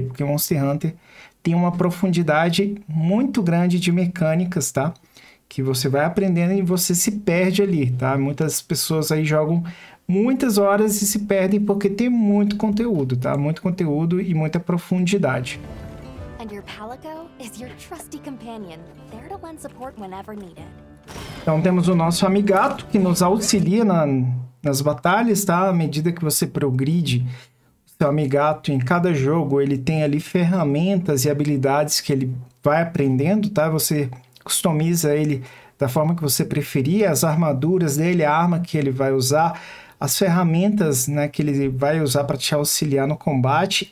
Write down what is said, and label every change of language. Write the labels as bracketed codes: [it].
[pt] Porque Monster Hunter tem uma profundidade muito grande de mecânicas, tá? Que você vai aprendendo e você se perde ali, tá? Muitas pessoas aí jogam muitas horas e se perdem porque tem muito conteúdo, tá? Muito conteúdo e muita profundidade. [en] And your Palico is your trusty companion, there to lend support whenever needed. [pt] Então temos o nosso amigato que nos auxilia nas batalhas, tá? À medida que você progride, o seu amigato em cada jogo, ele tem ali ferramentas e habilidades que ele vai aprendendo, tá? Você customiza ele da forma que você preferir, as armaduras dele, a arma que ele vai usar, as ferramentas, né, que ele vai usar para te auxiliar no combate.